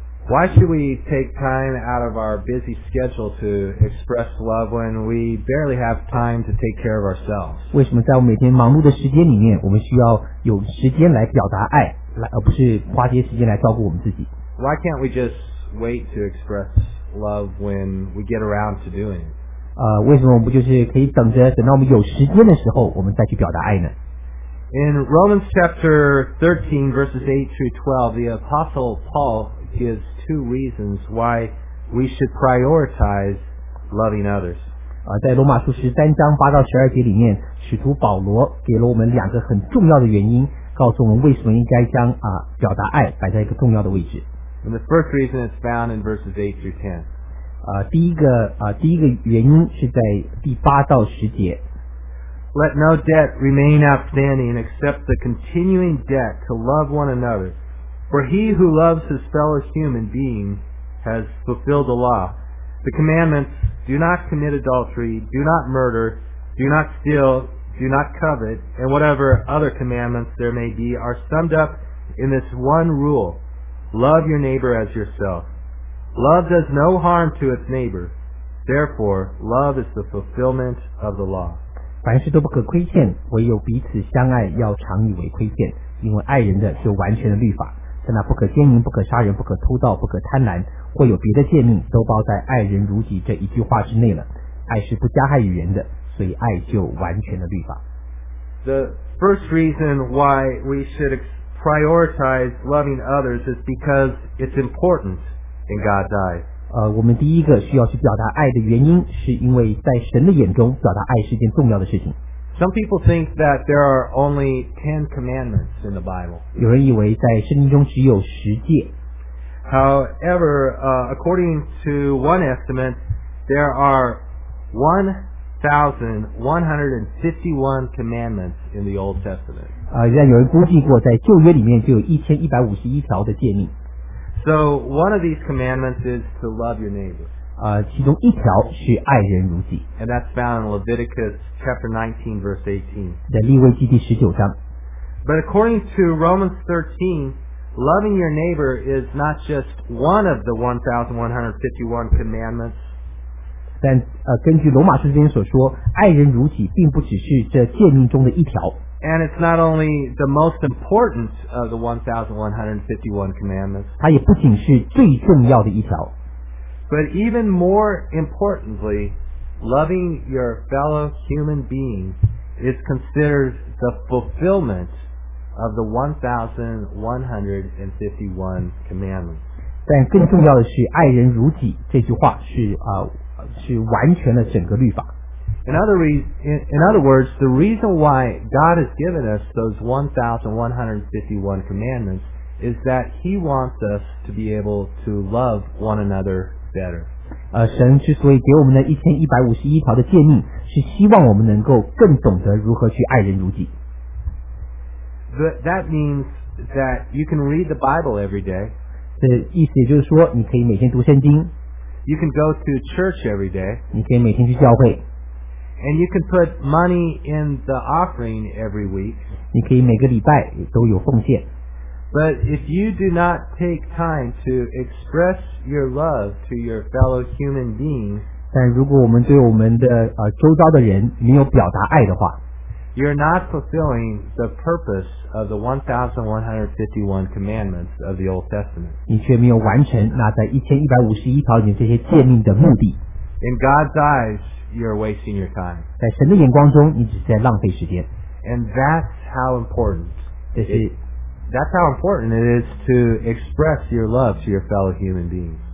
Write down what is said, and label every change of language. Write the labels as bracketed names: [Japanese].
[English] Why should we take time out of our busy schedule to express love when we barely have time to take care of ourselves? [Chinese] 为什么在我们每天忙碌的时间里面，我们需要有时间来表达爱，而不是花些时间来照顾我们自己？ [English] Why can't we just wait to express love when we get around to doing it? [Chinese] 为什么我们不就是可以等到我们有时间的时候，我们再去表达爱呢？ [English] In Romans chapter 13, verses 8 through 12, the Apostle Paul gives two reasons why we should prioritize loving others. [Chinese] 在罗马书13章8到12节里面，使徒保罗给了我们两个很重要的原因，告诉我们为什么应该将表达爱摆在一个重要的位置。 [English] And the first reason is found in verses 8 through 10. [Chinese] 第一个原因是在第8到10节。 [English] Let no debt remain outstanding except the continuing debt to love one another. For he who loves his fellow human being has fulfilled the law. The commandments, do not commit adultery, do not murder, do not steal, do not covet, and whatever other commandments there may be are summed up in this one rule. Love your neighbor as yourself. Love does no harm to its neighbor. Therefore, love is the fulfillment of the law. [Chinese] 凡事都不可亏欠，唯有彼此相爱要常以为亏欠，因为爱人的是完全的律法，在那不可奸淫、不可杀人、不可偷盗、不可贪婪，或有别的诫命，都包在爱人如己这一句话之内了。爱是不加害于人的，所以爱就完全的律法。 [English] The first reason why we should prioritize loving others is because it's important in God's eyes. [Chinese] 我们第一个需要去表达爱的原因，是因为在神的眼中，表达爱是一件重要的事情。 [English] Some people think that there are only 10 commandments in the Bible. [Chinese] 有人以为在圣经中只有十诫。 [English] However, according to one estimate, there are 1,151 commandments in the Old Testament. [Chinese] 但有人估计过，在旧约里面就有1,151条的诫命。 [English] So one of these commandments is to love your neighbor. [Chinese] 其中一条是爱人如己。 [English] And that's found in Leviticus chapter 19, verse 18. [Chinese] 在利未记第十九章。 [English] But according to Romans 13, loving your neighbor is not just one of the 1,151 commandments. [Chinese] 但根据罗马书这边所说，爱人如己并不只是这诫命中的一条。 [English] And it's not only the most important of the 1,151 commandments. [Chinese] 它也不仅是最重要的一条。 [English] But even more importantly, loving your fellow human being is considered the fulfillment of the 1,151 commandments. [Chinese] 但更重要的是，爱人如己这句话是是完全了整个律法。 [English] In other words, the reason why God has given us those 1,151 commandments is that He wants us to be able to love one another better. [Chinese] 神之所以给我们的1,151条的诫命，是希望我们能够更懂得如何去爱人如己。 [English] That means that you can read the Bible every day. [Chinese] 这意思也就是说，你可以每天读圣经。 [English] You can go to church every day. [Chinese] 你可以每天去教会。 [English] And you can put money in the offering every week. [Chinese] 你可以每个礼拜都有奉献。 [English] But if you do not take time to express your love to your fellow human being, [Chinese] 但如果我们对我们的周遭的人没有表达爱的话， [English] you're not fulfilling the purpose of the 1,151 commandments of the Old Testament. [Chinese] 你却没有完成那在1,151条里面这些诫命的目的。 [English] In God's eyes,You're wasting your time. [Chinese] 在神的眼光中，你只是在浪费时间。 [English] And that's how important That's how important it is to express your love to your fellow human beings.